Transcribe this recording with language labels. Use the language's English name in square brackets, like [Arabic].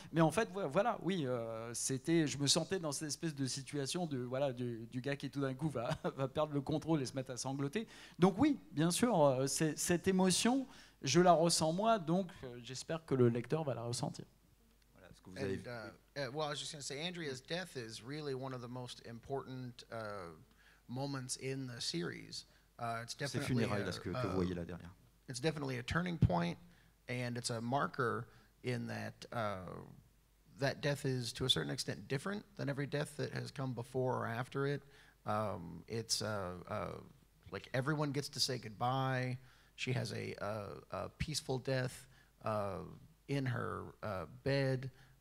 [French] Mais en fait, voilà, oui, je me sentais dans cette espèce de situation du gars qui tout d'un coup va perdre le contrôle et se mettre à sangloter. Donc oui, bien sûr, cette émotion, je la ressens moi. Donc j'espère que le lecteur va la ressentir. Voilà, ce que vous avez. [English] Well, I was just going to say, Andrea's death is really one of the most important moments in the series. [French] C'est funérailles, là, ce que vous voyez là derrière. [English] It's definitely a turning point, and it's a marker in that that death is, to a certain extent, different than every death that has come before or after it. It's like everyone gets to say goodbye. She has a peaceful death in her bed.